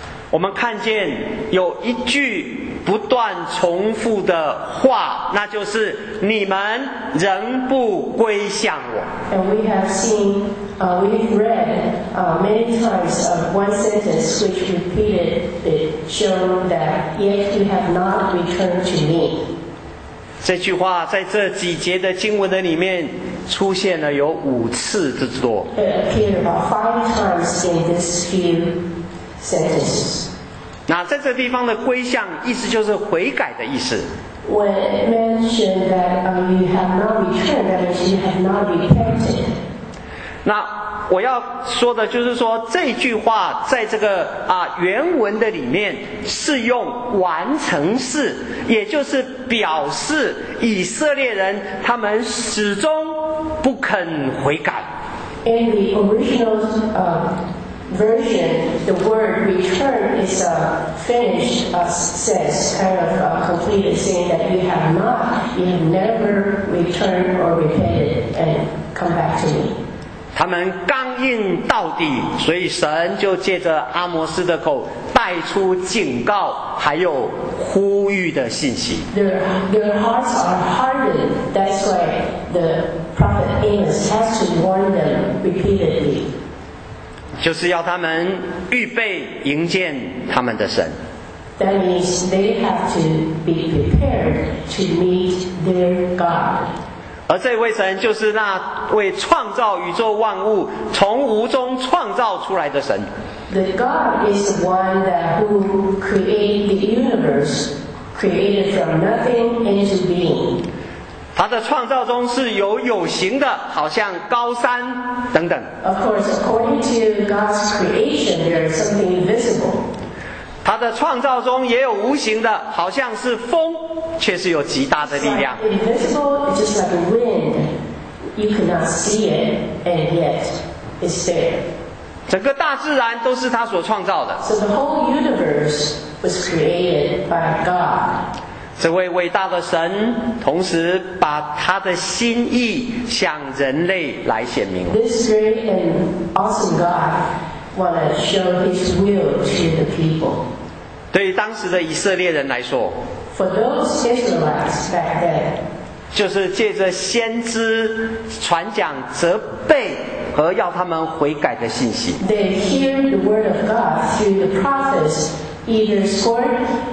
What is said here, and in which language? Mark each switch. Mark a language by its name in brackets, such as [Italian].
[Chinese] 我们看见有一句不断重复的话，那就是你们仍不归向我。 [English] And we have seen, we've read many times of one sentence which repeated it, showing that yet you have not returned to me. [Chinese] 这句话在这几节的经文的里面出现了有五次之多。 [English] It appeared about five times in this few sentences. [Chinese] 那在这地方的归向意思就是悔改的意思。 [English] When it mentioned that you have not returned, that means you have not repented. [Chinese] 那我要说的就是说这句话在这个原文的里面是用完成式，也就是表示以色列人他们始终不肯悔改。 [English] In the original version, the word return is a finished sense, kind of a completed saying that you have not, you have never returned or repented and come back to me. [Chinese] 他们刚硬到底，所以神就借着阿摩斯的口带出警告还有呼吁的信息。 [English] Their hearts are hardened, that's why the prophet Amos has to warn them repeatedly. [Chinese] 就是要他们预备迎接他们的神。 [English] That means they have to be prepared to meet their God. [Chinese] 而这位神就是那位创造宇宙万物，从无中创造出来的神。 [English] The God is the one that who created the universe, created from nothing into being. [Chinese] 他的创造中是有有形的，好像高山等等。 [English] Of course, according to God's creation, there is something invisible. [Chinese] 他的创造中也有无形的，好像是风，却是有极大的力量。 [English] It's invisible, just like wind. You cannot see it, and yet it's there. [Chinese] 整个大自然都是他所创造的。 [English] So the whole universe was created by God. [Chinese] 这位伟大的神同时把他的心意向人类来显明。 [English] This great and awesome God want to show his will to the people. [Chinese] 对于当时的以色列人来说， [English] For those Israelites back then, [Chinese] 就是借着先知传讲责备和要他们悔改的信息。 [English] They hear the word of God through the prophets, either scorned,